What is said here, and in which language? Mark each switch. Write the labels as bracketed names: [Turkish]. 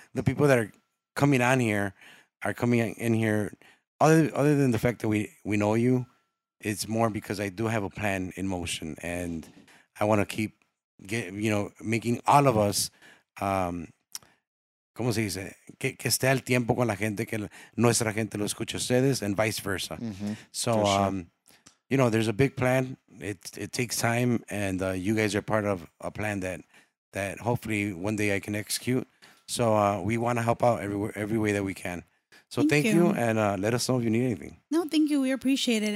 [English] The people that are coming on here are coming in here. Other than the fact that we know you, it's more because I do have a plan in motion and I want to keep, you know, making all of us, [Spanish] ¿cómo se dice? Que esté al tiempo con la gente, que nuestra gente lo escuche ustedes, [English] and vice versa. Mm-hmm. So, sure. You know, there's a big plan. It takes time, and you guys are part of a plan that hopefully one day I can execute. So we want to help out every way that we can. So thank you, and let us know if you need anything. No, thank you. We appreciate it.